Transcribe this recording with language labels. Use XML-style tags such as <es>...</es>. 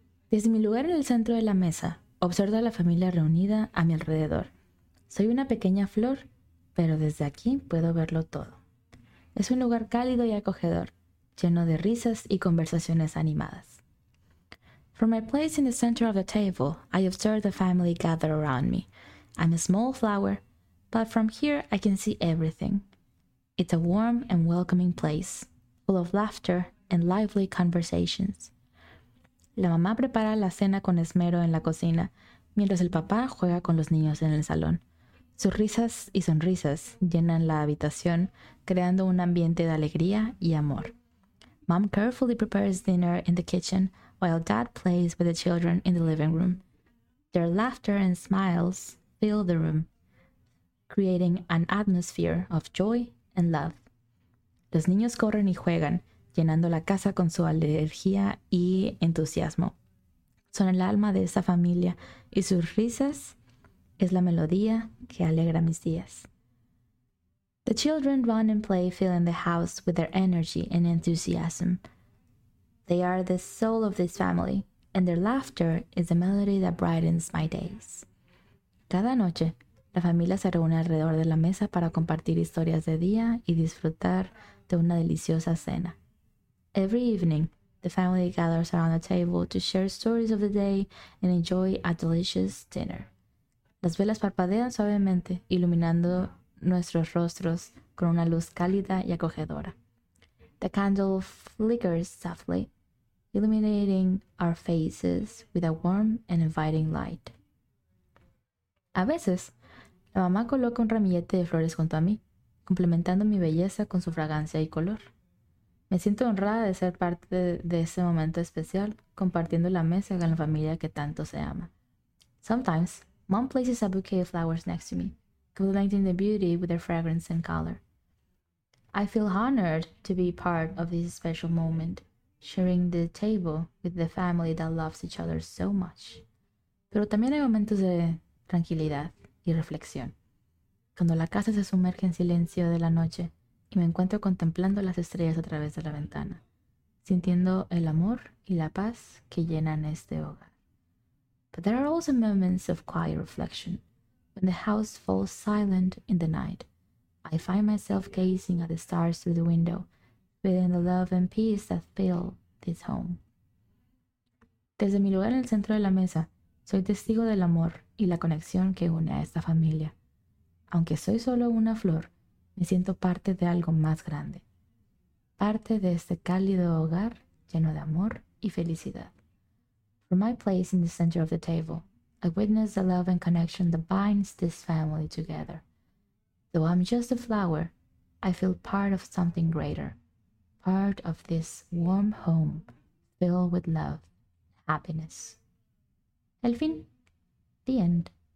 <es>Desde mi lugar en el centro de la mesa, observo a la familia reunida a mi alrededor. Soy una pequeña flor, pero desde aquí puedo verlo todo. Es un lugar cálido y acogedor, lleno de risas y conversaciones animadas.</es> <en>From my place in the center of the table, I observe the family gather around me. I'm a small flower, but from here I can see everything. It's a warm and welcoming place, full of laughter and lively conversations.</en> <es>La mamá prepara la cena con esmero en la cocina, mientras el papá juega con los niños en el salón. Sus risas y sonrisas llenan la habitación, creando un ambiente de alegría y amor.</es> <en>Mom carefully prepares dinner in the kitchen while Dad plays with the children in the living room. Their laughter and smiles fill the room, creating an atmosphere of joy and love.</en> <es>Los niños corren y juegan, llenando la casa con su energía y entusiasmo. Son el alma de esa familia y sus risas es la melodía que alegra mis días.</es> <en>The children run and play, filling the house with their energy and enthusiasm. They are the soul of this family, and their laughter is the melody that brightens my days.</en> <es>Cada noche, la familia se reúne alrededor de la mesa para compartir historias de día y disfrutar de una deliciosa cena.</es> <en>Every evening, the family gathers around the table to share stories of the day and enjoy a delicious dinner.</en> <es>Las velas parpadean suavemente, iluminando nuestros rostros con una luz cálida y acogedora.</es> <en>The candle flickers softly, illuminating our faces with a warm and inviting light.</en> <es>A veces, la mamá coloca un ramillete de flores junto a mí, complementando mi belleza con su fragancia y color. Me siento honrada de ser parte de ese momento especial, compartiendo la mesa con la familia que tanto se ama.</es> <en>Sometimes, Mom places a bouquet of flowers next to me, complementing the beauty with their fragrance and color. I feel honored to be part of this special moment, sharing the table with the family that loves each other so much.</en> <es>Pero también hay momentos de tranquilidad y reflexión. Cuando la casa se sumerge en silencio de la noche y me encuentro contemplando las estrellas a través de la ventana, sintiendo el amor y la paz que llenan este hogar.</es> <en>But there are also moments of quiet reflection. When the house falls silent in the night, I find myself gazing at the stars through the window, feeling the love and peace that fill this home.</en> <es>Desde mi lugar en el centro de la mesa, soy testigo del amor y la conexión que une a esta familia. Aunque soy solo una flor, me siento parte de algo más grande, parte de este cálido hogar lleno de amor y felicidad.</es> <en>From my place in the center of the table, I witness the love and connection that binds this family together. Though I'm just a flower, I feel part of something greater, part of this warm home filled with love, happiness.</en> <es>El fin.</es> <en>The end.</en>